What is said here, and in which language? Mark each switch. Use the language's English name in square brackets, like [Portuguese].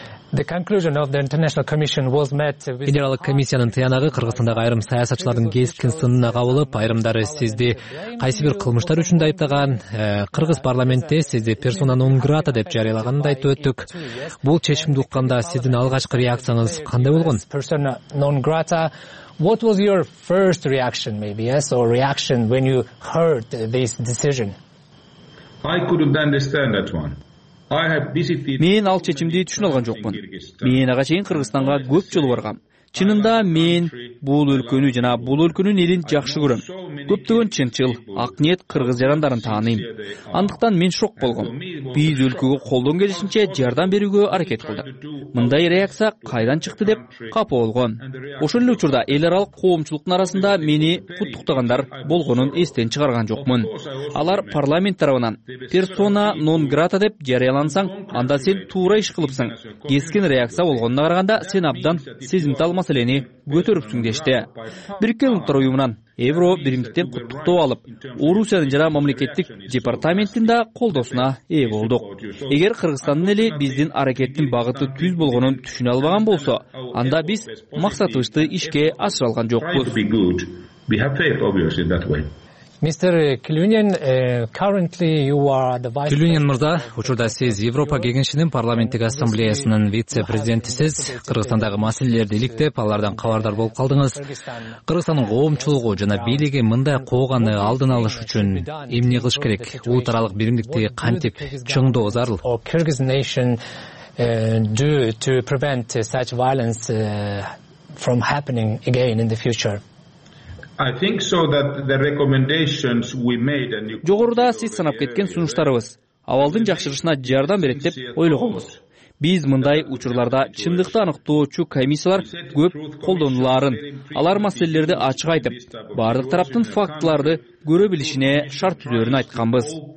[English] The conclusion of the International Commission was met with... [Kyrgyz] Федералдык комиссиянын тыянагы Кыргызстандагы айрым саясатчылардын кескин сынына кабылып, айрымдары сизди кайсы бир кылмыштар үчүн айыптаган, Кыргыз парламентте сизди персона нон грата деп жарыялаганын айтып өттүк. Бул чечимди укканда сиздин алгачкы реакцияңыз кандай болгон? [English] Persona non grata. What was your first reaction, maybe, yes, or reaction when you heard this decision? I couldn't understand that one. [Kyrgyz] Мен ал чечимди түшүнө алган жокмун. Мен ага чейин Кыргызстанга көп жолу баргам. Чынында мен бул өлкөнү жана бул өлкөнүн элин жакшы көрөм. Көптөгөн чынчыл, ак ниет кыргыз жарандарын тааныйм. Андыктан мен шок болгом. Биз өлкөгө колдон келишинче жардам берүүгө аракет кылдык. Мындай реакция кайдан чыкты деп капа болгон. Ошол эле учурда эл аралык коомчулуктун арасында мени куттуктагандар болгонун эстен чыгарган жокмун. Алар парламент тарабынан персона нон грата деп жарыялансаң, анда сен туура иш кылыпсың. Кескин реакция болгонуна караганда сен абдан сезим ал маселени көтөрүпсүң дешти. Бириккен Улуттар Уюмунан Евро биримдиктен куттуктоо алып, Орусиянын жана мамлекеттик департаментин да колдоосуна ээ болдук. Эгер Кыргызстандын эли биздин аракеттин багыты түз болгонун түшүнө албаган болсо, анда биз максатыбызды ишке ашыра алган жокпуз. [English] Mr. Kilunian, currently you are the vice. [Kyrgyz] Kilunian мырза, учурда сиз Европа кеңешинин парламенттик ассамблеясынын вице-президентисиз. Кыргызстандагы маселелерди иликтеп, алардан кабардар болуп калдыңыз. Кыргызстандын коомчулугу жана бийлиги мындай кооганы алдын алыш үчүн эмне кылыш керек? Улутаралык биримдикти кантип чыңдоо зарыл? [English] Kyrgyz nation to prevent such violence from happening again in the future. I think so that the recommendations we made and you [Kyrgyz] жогоруда сиз санап кеткен сунуштарыбыз абалдын жакшырышына жардам берет деп ойлогонбуз. Биз мындай учурларда чындыкты аныктоочу комиссиялар көп колдонуларын, алар маселелерди ачык айтып, бардык тараптын фактыларды көрө билишине шарт түзөрүн айтканбыз.